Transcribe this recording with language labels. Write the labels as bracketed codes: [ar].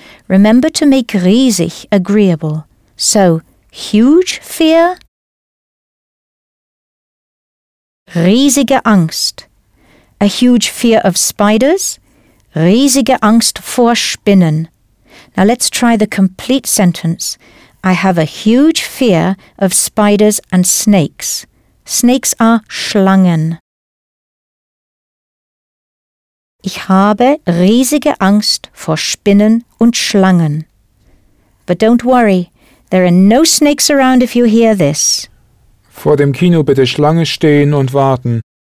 [en] Remember to make riesig agreeable. So, huge fear, riesige Angst. A huge fear of spiders, [de] riesige Angst vor Spinnen. [en] Now let's try the complete sentence. I have a huge fear of spiders and snakes. Snakes are Schlangen. [de] Ich habe riesige Angst vor Spinnen und Schlangen. [en] But don't worry, there are no snakes around if you hear this. [de] Vor dem Kino bitte Schlange stehen und warten.